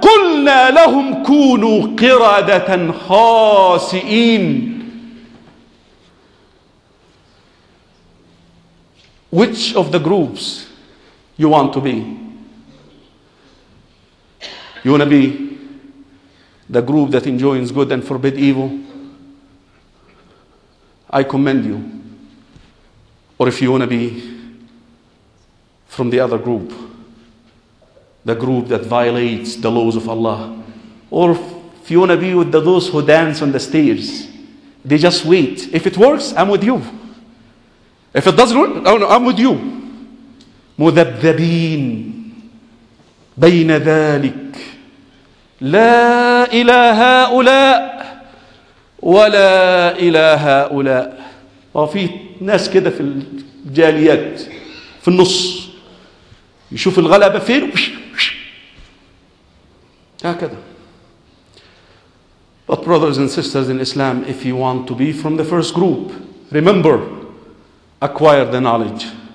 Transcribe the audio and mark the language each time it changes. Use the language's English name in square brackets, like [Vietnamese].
[Arabic] قلنا لهم كونوا قردة خاسئين. [English] Which of the groups you want to be? You want to be the group that enjoins good and forbid evil? I commend you. Or if you want to be from the other group, the group that violates the laws of Allah, or if you want to be with those who dance on the stairs, they just wait. If it works, I'm with you. If it doesn't work, I'm with you. [Arabic] مذبذبين بين ذلك لا إلى هؤلاء ولا إلى هؤلاء. وفي ناس كده في الجاليات في النص يشوف الغلبة فين هكذا. [English] But brothers and sisters in Islam, if you want to be from the first group, remember, acquire the knowledge.